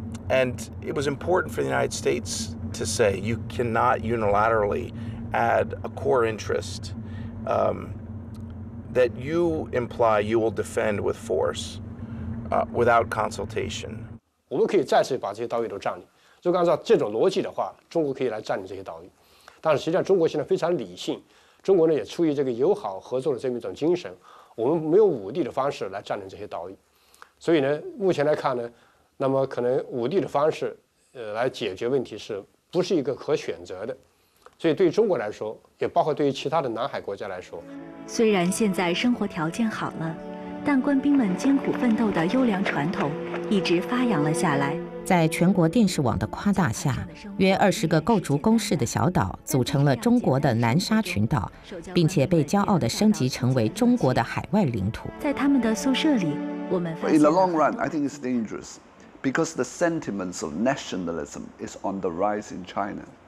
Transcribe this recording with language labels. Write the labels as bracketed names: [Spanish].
[English] And it was important for the United States to say you cannot unilaterally add a core interest that you imply you will defend with force without consultation. We can [Chinese] 再次把这些岛屿都占领。就按照这种逻辑的话，中国可以来占领这些岛屿，但是实际上中国现在非常理性，中国呢也出于这个友好合作的这么一种精神，我们没有武力的方式来占领这些岛屿，所以呢，目前来看呢，那么可能武力的方式，来解决问题是不是一个可选择的，所以对于中国来说，也包括对于其他的南海国家来说，虽然现在生活条件好了，但官兵们艰苦奋斗的优良传统一直发扬了下来。在全国电视网的夸大下，约二十个构筑工事的小岛组成了中国的南沙群岛，并且被骄傲地升级成为中国的海外领土。在他们的宿舍里，我们发现。 [English] In the long run, I think it's dangerous because the sentiments of nationalism is on the rise in China.